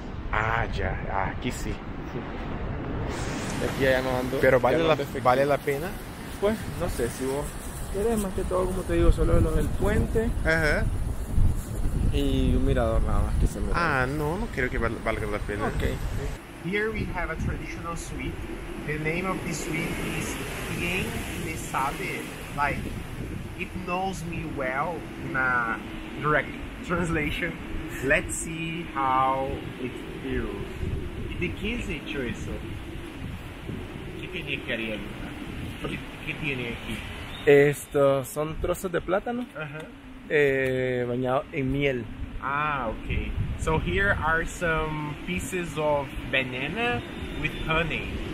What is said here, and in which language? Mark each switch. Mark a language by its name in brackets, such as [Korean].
[Spanish] Ah, ya, aquí sí. Sí. Aquí ya no ando. Pero ¿vale la pena? Pues, no sé, si vos quieres, más que todo, como te digo, solo lo del puente. Ajá. Y un mirador nada más que se me da. Ah, no, no creo que valga la pena. Ok. Sí. [English] Here we have a traditional sweet. The name of this sweet is Quien Me Sabe, like it knows me well in a direct translation. Let's see how it feels. The kids eat chorizo. [Spanish] ¿Qué tiene aquí, Ariel? ¿Qué tiene aquí? Estos son trozos de plátano bañados en miel. [English] Ah, okay. So here are some pieces of banana with honey.